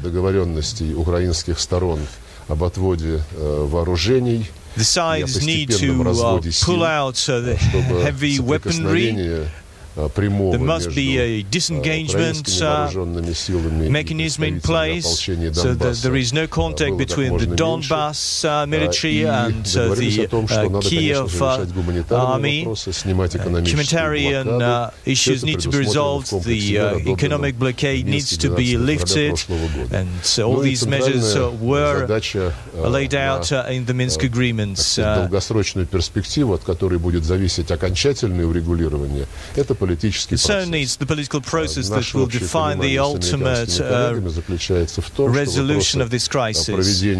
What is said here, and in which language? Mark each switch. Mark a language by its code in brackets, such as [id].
[ru] договоренности украинских сторон об отводе вооружений. [en] The sides need to pull out the heavy weaponry. There must be a disengagement mechanism in place so that there is no contact between the Donbass military and the Kiev army. Humanitarian issues need to be resolved. The economic blockade needs to be lifted. And so all these measures were laid out in the Minsk agreements. [ru] Долгосрочную перспективу, от которой будет зависеть окончательное урегулирование, это политика. [en] So needs the political process that will define the ultimate resolution of this crisis.